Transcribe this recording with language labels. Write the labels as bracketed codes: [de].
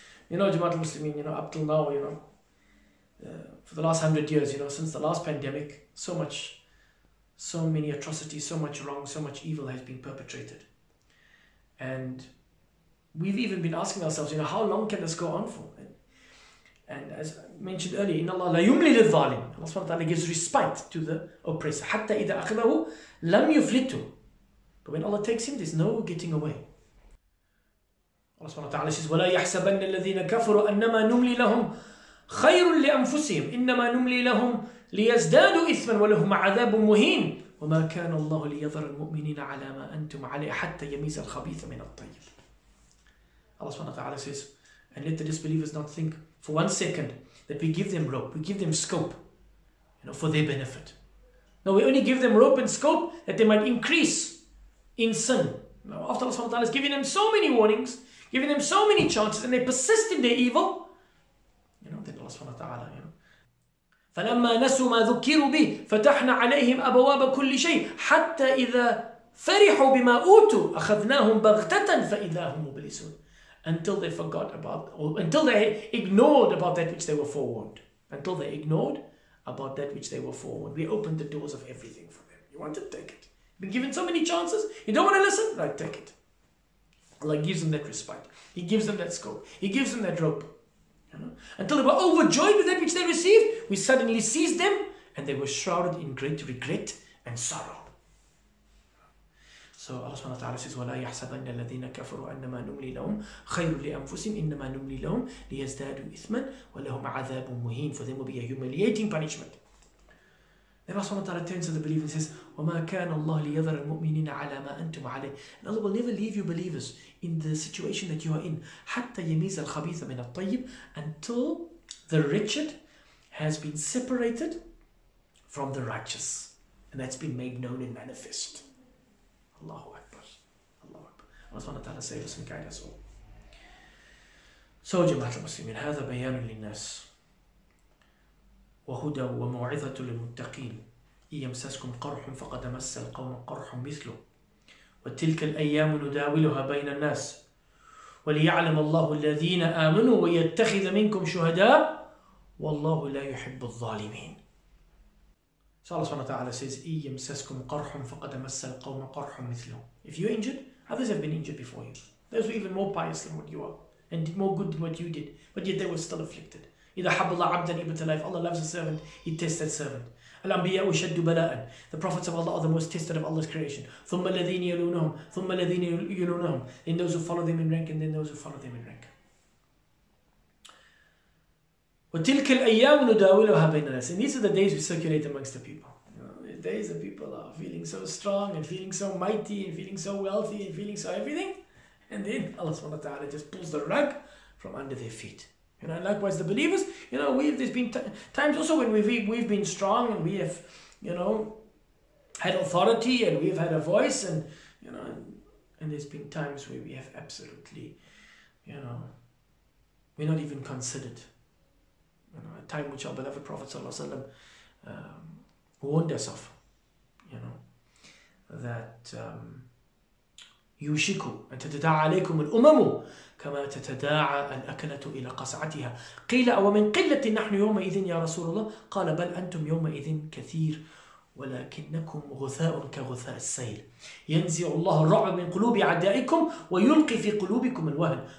[en] You know, Jamaat al-Muslimin, you know, up till now, you know, for the last 100 years, you know, since the last pandemic, so many atrocities, so much wrong, so much evil has been perpetrated. And We've even been asking ourselves, you know, how long can this go on for? And as mentioned earlier, [ar] إِنَّ اللَّهَ لَيُمْلِي لِلظَّالِمِ. [en] Allah subhanahu wa ta'ala gives respite to the oppressor. [ar] حَتَّى إِذَا أَخِذَهُ لَمْ يُفْلِتُ. [en] But when Allah takes him, there's no getting away. Allah subhanahu wa ta'ala says, [ar] وَلَا يَحْسَبَنَّ الَّذِينَ كَفَرُوا أَنَّمَا نُمْلِي لَهُمْ خَيْرٌ لِأَنفُسِهِمْ إِنَّمَا نُمْلِي لَهُمْ لِيَزْدَادُوا إِثْمًا وَلَهُمْ عَذَابٌ مُهِينٌ وَمَا كَانَ اللَّهُ لِيَذَرَ الْمُؤْمِنِينَ عَلَى مَا أَنْتُمْ عَلَيْهِ حَتَّى يَمِيزَ الْخَبِيثَ مِنَ الطَّيِّبِ. [en] Allah subhanahu wa ta'ala says, and let the disbelievers not think for one second that we give them rope, we give them scope, you know, for their benefit. No, we only give them rope and scope that they might increase in sin. Now, after Allah subhanahu wa ta'ala is giving them so many warnings, giving them so many chances, and they persist in their evil, you know, then Allah subhanahu wa ta'ala, you know, [ar] فَلَمَّا نَسُوا مَا ذُكِّرُوا بِهِ فَتَحْنَا عَلَيْهِمْ أَبَوَابَ كُلِّ شَيْءٍ حَتَّى إِذَا فَرِحُوا بِمَا أُوتُوا أَخَذْنَاهُمْ بَغْتَةً فَإِذَا هُمْ مُبْلِسُونَ. [en] Until they forgot about, or until they ignored about that which they were forewarned. Until they ignored about that which they were forewarned. We opened the doors of everything for them. You want it? Take it. You've been given so many chances. You don't want to listen? Right, take it. Allah gives them that respite. He gives them that scope. He gives them that rope. You know? Until they were overjoyed with that which they received, we suddenly seized them and they were shrouded in great regret and sorrow. So Allah subhanahu wa ta'ala says, [ar] وَلَا يَحْسَبَنَّ الَّذِينَ كَفَرُوا أَنَّمَا نُمْلِي لَهُمْ خَيْرٌ لِأَنفُسِهِمْ إِنَّمَا نُمْلِي لَهُمْ لِيَزْدَادُوا إِثْمًا وَلَهُمْ عَذَابٌ مُهِينٌ. [en] For them will be a humiliating punishment. Then Allah subhanahu wa ta'ala turns to the believers and says, [ar] وَمَا كَانَ اللَّهُ لِيَذَرَ الْمُؤْمِنِينَ عَلَى مَا أَنْتُمْ عَلَيْهِ. [en] And Allah will never leave you believers in the situation that you are in. [ar] حَتَّى يَمِيزَ الْخَبِيثَ مِنَ الطَّيِّبِ. [en] Until the wretched has been separated from the righteous. And that's been made known and manifest. Allahu Akbar. Allahu Akbar. Allah subhanahu wa ta'ala save us and guide us all. [ar] So, Jamaat al-Muslimin, هذا بيان للناس وهدى وموعظة للمتقين إن يمسسكم قرح فقد مس القوم قرح مثله وتلك الأيام نداولها بين الناس وليعلم الله الذين آمنوا ويتخذ منكم شهداء والله لا يحب الظالمين. [en] So Allah subhanahu wa ta'ala says, [ar] إِيَّمْ سَسْكُمْ قَرْحٌ فَقَدَ مَسَّ الْقَوْمَ قَرْحٌ مِثْلُهُ. [en] If you're injured, others have been injured before you. Those were even more pious than what you are, and did more good than what you did, but yet they were still afflicted. [ar] إِذَا حَبَّ اللَّهُ عَبْدًا إِبْتَلَاهُ. [en] If Allah loves a servant, He tests that servant. [ar] الْأَنْبِيَاءُ شَدُّ بَلَاءً. [en] The prophets of Allah are the most tested of Allah's creation. [ar] ثُمَّ الَّذِينَ يَلُونَهُمْ ثُمَّ الَّذِينَ يَلُونَهُمْ. [en] Then those who follow them in rank, and then those who follow them in rank. [ar] وَتِلْكَ الْأَيَّامُ نُدَاوِلُهَا بَيْنَ النَّاسِ. [en] And these are the days we circulate amongst the people. You know, the days that people are feeling so strong and feeling so mighty and feeling so wealthy and feeling so everything. And then Allah subhanahu wa ta'ala just pulls the rug from under their feet. You know, and likewise the believers, you know, there's been times also when we've been strong and we have, you know, had authority and we've had a voice, and, you know, and there's been times where we have absolutely, you know, we're not even considered. You know, a time which our beloved Prophet warned us of, you know, that [ar] يُوشِكُ أَن تَتَدَاعَ عَلَيْكُمُ الْأُمَمُ كَمَا تَتَدَاعَ الْأَكَلَةُ إِلَى قَصَعَتِهَا قِيلَ أَوَمِنْ قِلَّةٍ نَحْنُ يَوْمَئِذٍ يَا رَسُولُ اللَّهِ قَالَ بَلْ أَنْتُمْ يَوْمَئِذٍ كَثِيرٌ وَلَكِنَّكُمْ غُثَاءٌ كَغُثَاءِ السَّيْلِ يَنْزِعُ اللَّهُ الرُّعْبَ مِنْ قُلُوبِ أَعْدَائِكُمْ وَيُلْقِي فِي قُلُوبِكُمْ الْوَهْنَ.